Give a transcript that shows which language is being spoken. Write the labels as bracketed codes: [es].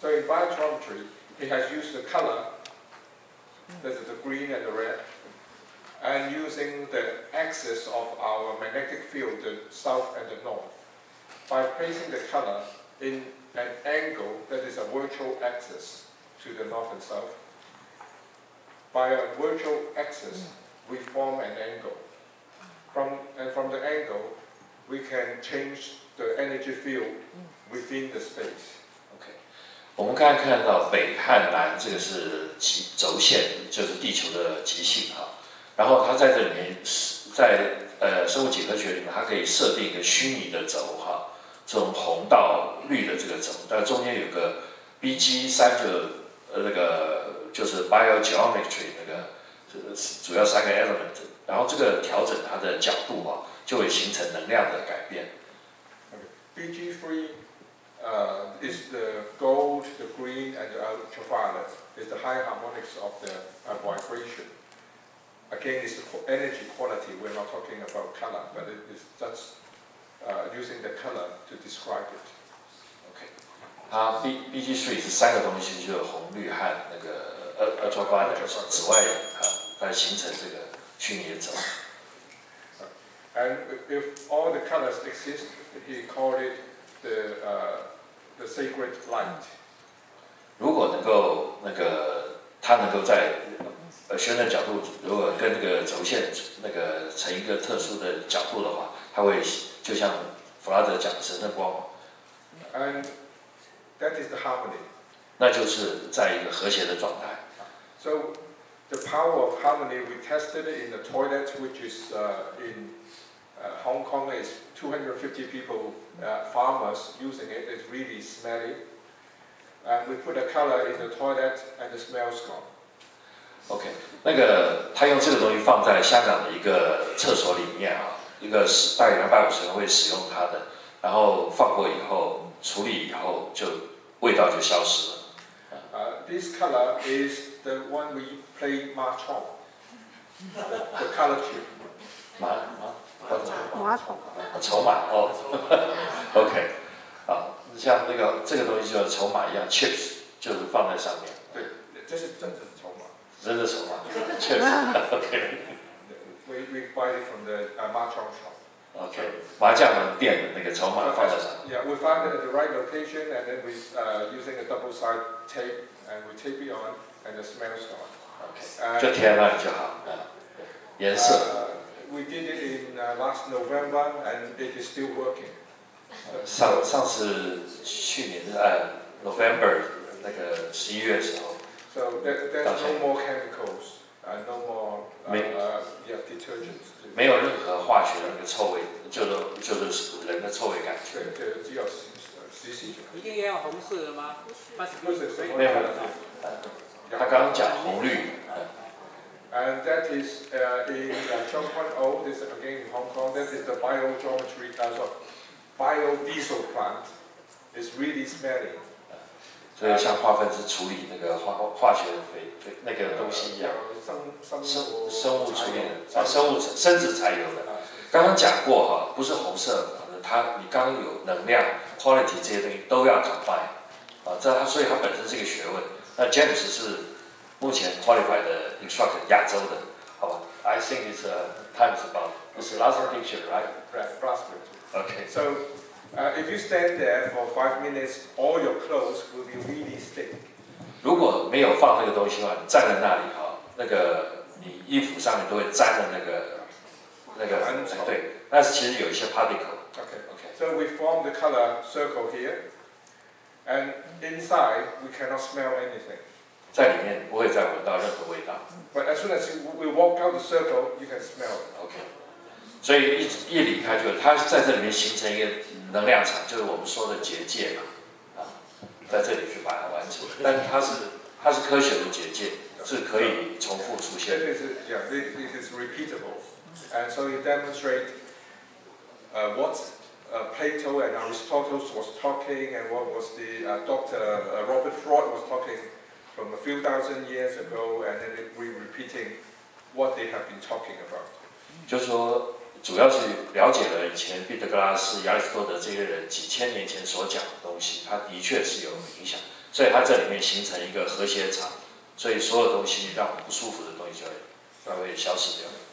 [en] So in biogeometry, he has used the color, that is the green and the red, and using the axis of our magnetic field, the south and the north, by placing the color in an angle that is a virtual axis to the north and south. By a virtual axis, we form an angle. From the angle, we can change the energy field within the space. Okay. [zh] 我们刚才看到北和南，这个是轴线，就是地球的极性啊。然后它在这里面，在生物几何学里面，它可以设定一个虚拟的轴哈，从红到绿的这个轴，但中间有个 BG3 就是 biogeometry 那个主要三个 element， 然后这个调整它的角度啊，就会形成能量的改变。 [en] BG3 is the gold, the green, and the ultraviolet is the high harmonics of the vibration. Again, it's the energy quality. We're not talking about color, but it is just using the color to describe it. [zh] Okay， 它 BG3 是三个东西，就是红、绿和那个。紫外啊，来形成这个虚拟的轴。 [en] And if all the colors exist, he called it the sacred light. [zh] 如果能够那个它能够在旋转角度，如果跟那个轴线那个成一个特殊的角度的话，它会就像弗拉德讲的神圣光。 [en] And that is the harmony. [zh] 那就是在一个和谐的状态。 [en] So the power of harmony we tested in the toilet, which is in Hong Kong, is 250 people, farmers using it. It's really smelly. And we put a color in the toilet, and the smell's gone. [zh] Okay, 那个他用这个东西放在香港的一个厕所里面啊，一个大概250人会使用它的，然后放过以后处理以后就味道就消失了。 [en] This color is the one we play mahjong. The color chip. Mahjong. Mahjong. [zh] 筹码哦。 [en] Okay. [zh] 啊，像那个这个东西就是筹码一样 ，chips 就是放在上面。对，这是真的筹码。真的筹码 ，chips. Okay. [en] We buy it from the mahjong shop. Okay. [zh] 麻将店的那个筹码放在上面。 [en] Yeah, we find it at the right location, and then we using a double side tape. And we tape it on, and the smell's gone. [zh] Okay. 就贴上就好。颜色。 [en] We did it in last November, and it is still working. [zh] 上次去年November 那个十一月时候。 [en] So there's no more chemicals, and no more detergents. [zh] 没有任何化学的那个臭味，就是人的臭味感觉。对，只有。一定要红色的吗？没有，他刚刚讲红绿。 [en] And that is in 2.0. This is again in Hong Kong. That is the biogeometry as a biodiesel plant. It's really smelly. [zh] 所以像化粪是处理那个 化学的肥那个东西一样，生物处理的生物生殖柴油的。 刚刚讲过哈，不是红色的，它你刚有能量 quality 这些东西都要 combine 啊，它所以它本身是一个学问。那 James 是目前 qualified 的 instructor 亚洲的，好吧 ？ [en] I think it's time's about this last picture, right? Okay. So. If you stand there for 5 minutes, all your clothes will be really stink. [zh] 如果没有放那个东西的话，你站在那里哈，那个你衣服上面都会沾了那个对，但是其实有一些 particle. [en] Okay. So we form the color circle here, and inside we cannot smell anything. [zh] 在里面不会再闻到任何味道。 [en] But as soon as we walk out the circle, you can smell it. Okay. [zh] 所以 一离开就它在这里面形成一个能量场，就是我们说的结界嘛，啊，在这里去把它完成。但它是科学的结界，是可以重复出现的。 [en] It is repeatable, and so it demonstrates what Plato and Aristotle was talking, and what was the Doctor Robert Freud was talking from a few thousand years ago, and then we repeating what they have been talking about. [zh] 就说。主要是了解了以前毕德格拉斯、亚里士多德这些人几千年前所讲的东西，它的确是有影响，所以它这里面形成一个和谐场，所以所有东西让我们不舒服的东西就会稍微消失掉。